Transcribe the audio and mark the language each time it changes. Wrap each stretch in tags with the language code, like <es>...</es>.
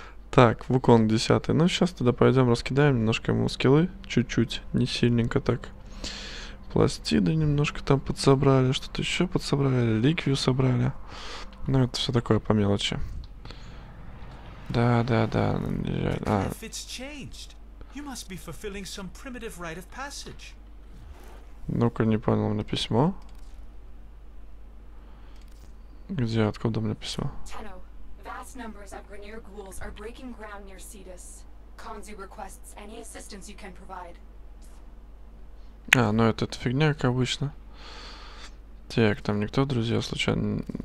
<ru>Так, Вукон 10. Ну сейчас туда пойдем, раскидаем немножко ему скиллы. Чуть-чуть, не сильненько так. Пластиды немножко там подсобрали, что-то еще подсобрали, ликвию собрали. Ну это все такое по мелочи. Да. А.</ru> <en>You must be fulfilling some primitive rite of passage.</en> <ru>Ну-ка, не понял мне письмо. Где, откуда мне письмо?</ru> <en>Tenno, vast numbers of Grineer ghouls are breaking ground near Cetus. Konzu requests any assistance you can provide.</en> <ru>А, ну это фигня, как обычно. Так, там никто, друзья, случайно...</ru>